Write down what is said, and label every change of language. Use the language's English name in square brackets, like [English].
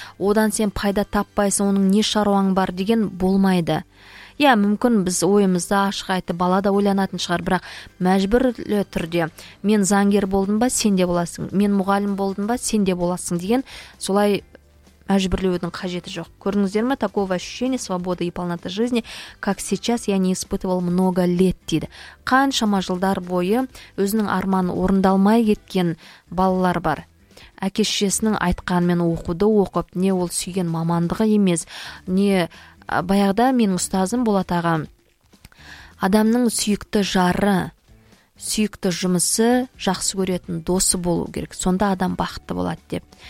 [Kazakh] Одан сен пайда таппайсың, оның не шаруаң бар деген болмайды. Иә, мүмкін біз ойымызды ашық айтып, бала да ойланатын шығар, бірақ мәжбүрлі түрде мен заңгер болдым ба, сен де боласың, мен мұғалім болдым ба, сен де боласың деген солай мәжбүрлеудің қажеті жоқ. Көрдіңіздер ма? [Russian] Такого ощущения свободы и полноты жизни, как сейчас я не испытывал много лет, [Kazakh] дейді. Қаншама жылдар бойы өзінің арманы орындалмай кеткен балалар бар. Әкешесінің айтқанымен оқуды оқып, не ол сүйген мамандығы емес, не баяғыда менің ұстазым Болат аға, адамның сүйікті жары, сүйікті жұмысы, жақсы көретін досы болу керек, сонда адам бақытты болады деп.